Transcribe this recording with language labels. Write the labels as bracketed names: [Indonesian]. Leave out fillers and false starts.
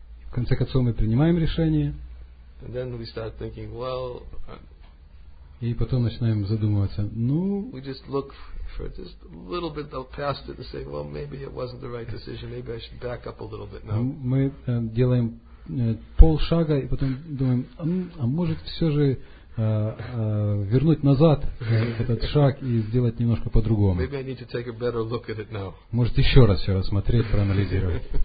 [Russian] В конце концов мы принимаем решение. [English] And then we start thinking, well. [Russian] И потом начинаем задумываться. Ну, [English] we just look for just a little bit past it and say, well, maybe it wasn't the right decision. Maybe I should back up a little bit now. [Russian] Мы делаем полшага и потом думаем, а может все же вернуть назад этот шаг и сделать немножко по-другому. [English] Maybe I need to take a better look at it now. [Russian] Может еще раз все рассмотреть, проанализировать.